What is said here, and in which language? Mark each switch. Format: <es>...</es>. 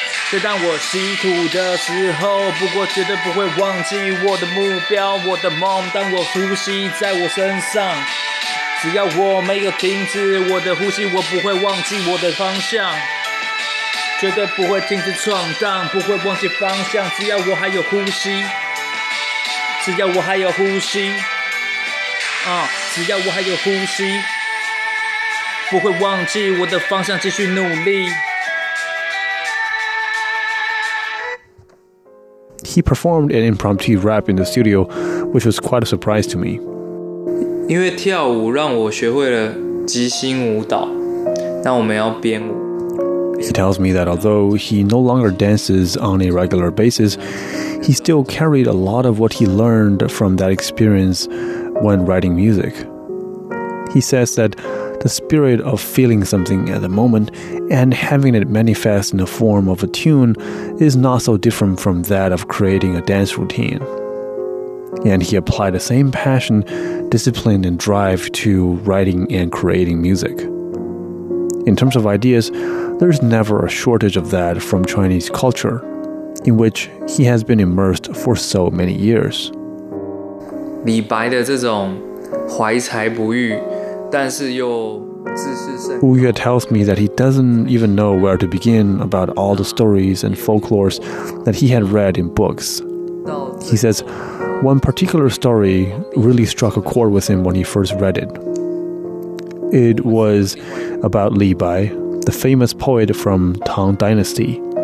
<zh>所以当我辛苦的时候，不过绝对不会忘记我的目标，我的梦，当我呼吸在我身上，只要我没有停止我的呼吸，我不会忘记我的方向，绝对不会停止闯荡，不会忘记方向，只要我还有呼吸，只要我还有呼吸，只要我还有呼吸，不会忘记我的方向，继续努力。</zh> <en>He performed an impromptu rap in the studio, which was quite a surprise to me.</en> <zh>因为跳舞让我学会了即兴舞蹈，那我们要编舞。</zh> <en>He tells me that although he no longer dances on a regular basis, he still carried a lot of what he learned from that experience when writing music. He says that the spirit of feeling something at the moment and having it manifest in the form of a tune is not so different from that of creating a dance routine. And he applied the same passion, discipline, and drive to writing and creating music. In terms of ideas, there's never a shortage of that from Chinese culture, in which he has been immersed for so many years.</en> <zh>李白的这种怀才不遇，但是又自视甚高。</zh> <en>Wu Yue tells me that he doesn't even know where to begin about all the stories and folklores that he had read in books. He says one particular story really struck a chord with him when he first read it. It was about Li Bai, the famous poet from Tang Dynasty.</en>